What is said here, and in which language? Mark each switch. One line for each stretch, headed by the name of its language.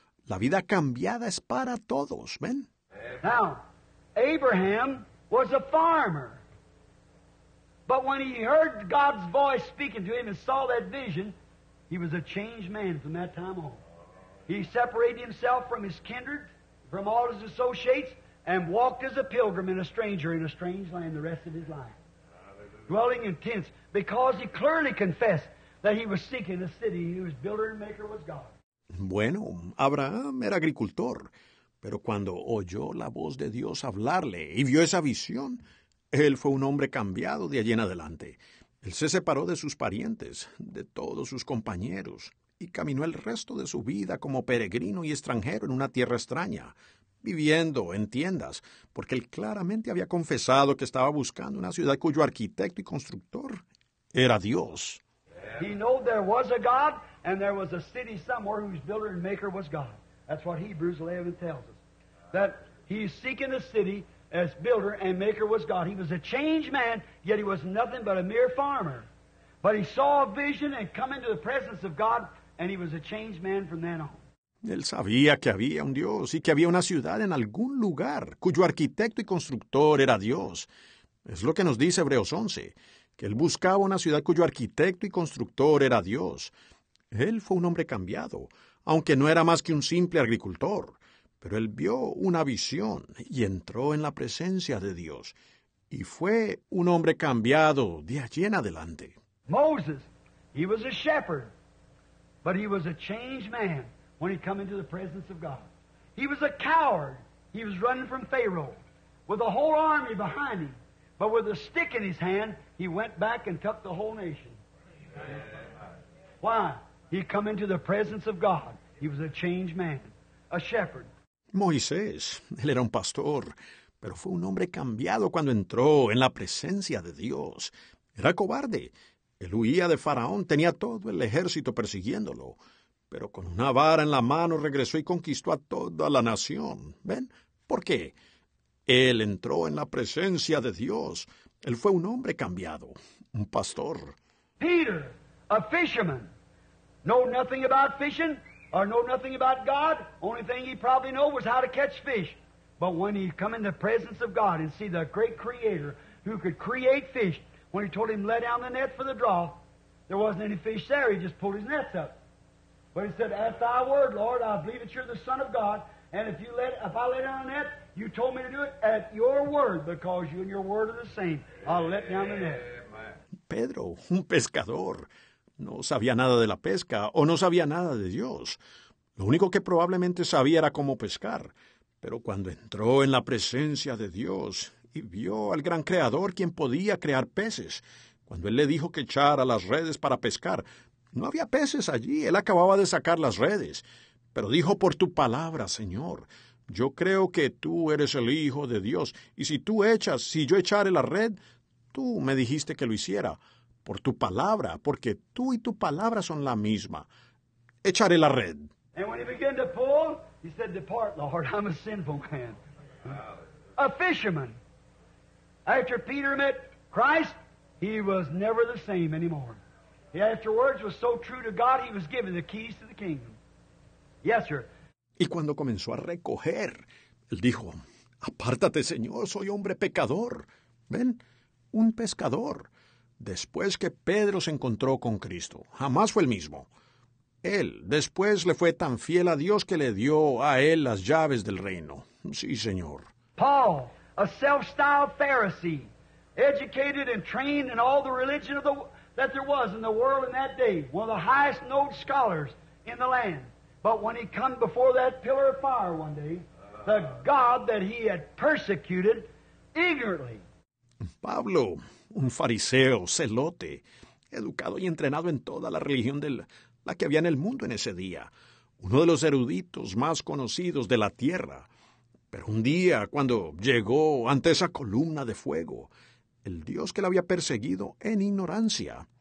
Spanish: La vida cambiada es para todos. ¿Ven?
English: Now, Abraham was a farmer. But when he heard God's voice speaking to him and saw that vision, he was a changed man from that time on. He separated himself from his kindred, from all his associates, and walked as a pilgrim and a stranger in a strange land the rest of his life. dwelling in tents, because he clearly confessed that he was seeking a city whose builder and maker was God.
Spanish: Bueno, Abraham era agricultor, pero cuando oyó la voz de Dios hablarle y vio esa visión, él fue un hombre cambiado de allí en adelante. Él se separó de sus parientes, de todos sus compañeros, y caminó el resto de su vida como peregrino y extranjero en una tierra extraña, viviendo en tiendas, porque él claramente había confesado que estaba buscando una ciudad cuyo arquitecto y constructor era Dios.
English: He knew there was a God, and there was a city somewhere whose builder and maker was God. That's what Hebrews 11 tells us. That he's seeking a city as builder and maker was God. He was a changed man, yet he was nothing but a mere farmer. But he saw a vision and come into the presence of God, and he was a changed man from then on.
Spanish: Él sabía que había un Dios y que había una ciudad en algún lugar cuyo arquitecto y constructor era Dios. Es lo que nos dice Hebreos 11, que él buscaba una ciudad cuyo arquitecto y constructor era Dios. Él fue un hombre cambiado, aunque no era más que un simple agricultor. Pero él vio una visión y entró en la presencia de Dios. Y fue un hombre cambiado de allí en adelante.
English: Moses, he was a shepherd, but he was a changed man. When he come into the presence of God, he was a coward. He was running from Pharaoh with a whole army behind him. But with a stick in his hand, he went back and took the whole nation. Why? He come into the presence of God. He was a changed man, a shepherd.
Spanish: Moisés, él era un pastor, pero fue un hombre cambiado cuando entró en la presencia de Dios. Era cobarde. Él huía de Faraón, tenía todo el ejército persiguiéndolo. Pero con una vara en la mano regresó y conquistó a toda la nación. ¿Ven? ¿Por qué? Él entró en la presencia de Dios. Él fue un hombre cambiado, un pastor.
English: Peter, a fisherman. Know nothing about fishing or know nothing about God. Only thing he probably knew was how to catch fish. But when he come in the presence of God and see the great creator who could create fish, when he told him to let down the net for the draw, there wasn't any fish there. He just pulled his nets up. But he said, at thy word, Lord, I believe that you're the Son of God, and if I let down the net, you told me to do it at your word, because you and your word are the same. I'll let down the net.
Spanish: Pedro, un pescador, no sabía nada de la pesca o no sabía nada de Dios. Lo único que probablemente sabía era cómo pescar. Pero cuando entró en la presencia de Dios y vio al gran Creador quien podía crear peces, cuando él le dijo que echara las redes para pescar, no había peces allí. Él acababa de sacar las redes. Pero dijo, por tu palabra, Señor, yo creo que tú eres el Hijo de Dios. Y si yo echare la red, tú me dijiste que lo hiciera. Por tu palabra, porque tú y tu palabra son la misma. Echaré la red.
English: And when he began to pull, he said, depart, Lord, I'm a sinful man. A fisherman. After Peter met Christ, he was never the same anymore. He afterwards was so true to God, he was given the keys to the kingdom. Yes, sir.
Spanish: Y cuando comenzó a recoger, él dijo, apártate, Señor, soy hombre pecador. Ven, un pescador. Después que Pedro se encontró con Cristo, jamás fue el mismo. Él después le fue tan fiel a Dios que le dio a él las llaves del reino. Sí, Señor.
English: Paul, a self-styled Pharisee, educated and trained in all the religion of the world. That there was in the world in that day, one of the highest known scholars in the land. But when he come before that pillar of fire one day, the God that he had persecuted ignorantly.
Spanish: Pablo, un fariseo, celote, educado y entrenado en toda la religión de la que había en el mundo en ese día. Uno de los eruditos más conocidos de la tierra. Pero un día, cuando llegó ante esa columna de fuego, el Dios que le había perseguido en ignorancia.